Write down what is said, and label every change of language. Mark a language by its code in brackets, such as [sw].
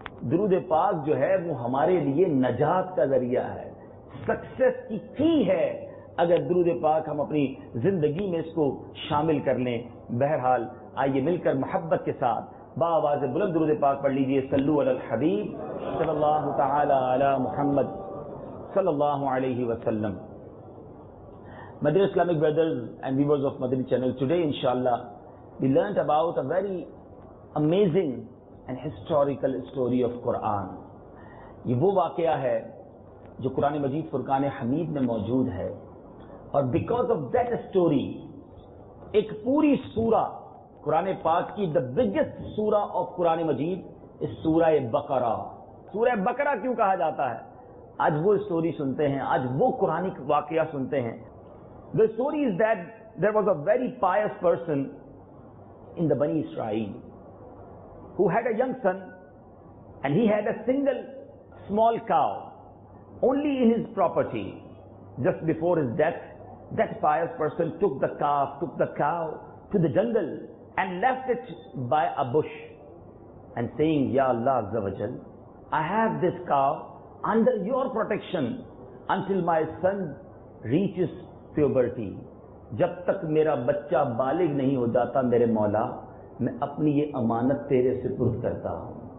[ur] درود پاک جو ہے وہ ہمارے لیے نجات کا ذریعہ ہے، سکسس کی کی ہے اگر درود پاک ہم اپنی زندگی میں اس کو شامل کر لیں. بہرحال آئیے مل کر محبت کے ساتھ با آواز بلند درود پاک پڑھ لیجئے. [ar] صلو علی الحبیب صلی اللہ تعالی علی محمد صلی اللہ علیہ وسلم. [en] My dear Islamic brothers and viewers of Madani channel, today inshallah we learnt about a very amazing and historical story of Quran. [ur] یہ وہ واقعہ ہے جو قرآن مجید فرقان حمید میں موجود ہے، اور [en] because of that story [ur] ایک پوری سورہ قرآن پاک کی، [en] the biggest [ur] سورہ of قرآن مجید is سورہ بقرہ. سورہ بقرہ کیوں کہا جاتا ہے؟ آج وہ اسٹوری سنتے ہیں، آج وہ قرآن واقعہ سنتے ہیں. [en] The story is that there was a very pious person in the Bani Israel who had a young son and he had a single small cow only in his property. Just before his death, that pious person took the cow to the jungle and left it by a bush and saying, Ya Allah Azza wa Jal, I have this cow under your protection until my son reaches puberty, [ur] جب تک میرا بچہ بالغ نہیں ہو جاتا میرے مولا میں اپنی یہ امانت تیرے سپرد کرتا ہوں.